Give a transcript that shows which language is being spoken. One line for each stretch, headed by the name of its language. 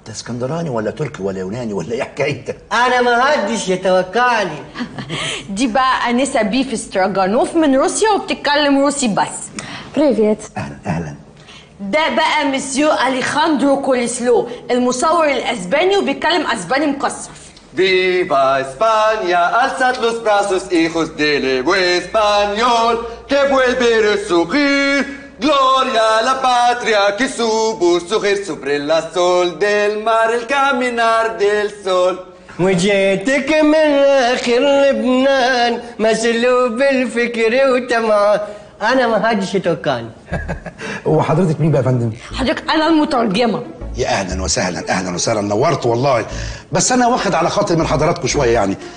Arabic: ده اسكندراني ولا تركي ولا يوناني ولا إيه حكايتك؟ أنا ما حدش يتوقعني. دي بقى أنسة بيف ستراجانوف من روسيا وبتتكلم روسي بس. بريفيت. أهلا أهلا. ده بقى مسيو أليخاندرو كوليسلو المصور الأسباني وبيتكلم أسباني مكسر.
Spanish: فيفا اسبانيا alzad los brazos hijos del español que vuelve a resurgir gloria a la patria que supo surgir sobre la sol del mar el caminar del sol
Arabic: وجيتك من اخر لبنان مسلوب الفكر وتمع. انا ما حدش يتوقعني. هو حضرتك مين بقى يا فندم؟ حضرتك انا المترجمه. يا اهلا وسهلا، اهلا وسهلا، نورت والله. بس انا واخد على خاطر من حضراتكم شويه يعني.